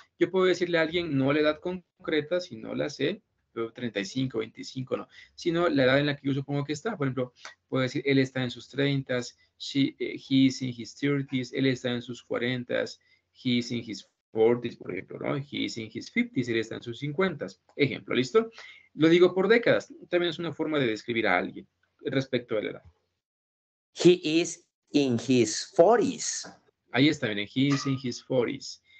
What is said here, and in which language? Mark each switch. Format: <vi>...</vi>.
<es>Yo puedo decirle a alguien, no la edad concreta, sino la sé, 35, 25, no, sino la edad en la que yo supongo que está. Por ejemplo, puedo decir, él está en sus 30s,</es> <en>he is in his 30s,</en> <es>él está en sus 40s,</es> <en>he is in his 40s,</en> <es>por ejemplo, ¿no?</es> <en>He is in his 50s,</en> <es>él está en sus 50s. Ejemplo, ¿listo? Lo digo por décadas. También es una forma de describir a alguien respecto a la edad.</es> <en>He is in his 40s.</en> <es>Ahí está, miren,</es> <en>he is in his 40s.</en>